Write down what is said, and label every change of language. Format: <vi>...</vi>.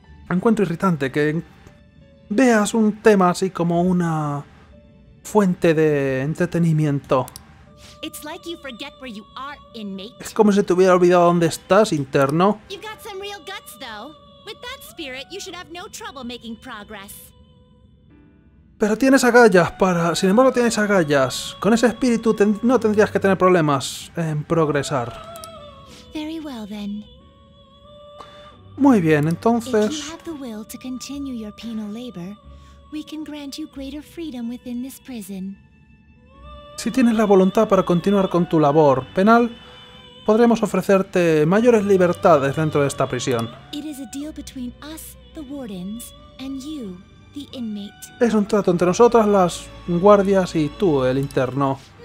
<es>Encuentro irritante que veas un tema así como una fuente de entretenimiento.</es> <en>It's like you forget where you are, inmate.</en> <es>Es como si te hubiera olvidado dónde estás, interno.</es> <en>You've got some real guts, though. With that spirit, you should have no trouble making progress.</en> <es>Pero tienes agallas para... Sin embargo, tienes agallas. Con ese espíritu no tendrías que tener problemas en progresar.</es> <en>Very well, then.</en> <es>Muy bien, entonces...</es> <en>If you have the will to continue your penal labor, we can grant you greater freedom within this prison.</en> <es>Si tienes la voluntad para continuar con tu labor penal, podremos ofrecerte mayores libertades dentro de esta prisión.</es> <en>It is a deal between us, the wardens, and you. The inmate.</en> <es>Es un trato entre nosotras, las guardias, y tú, el interno.</es>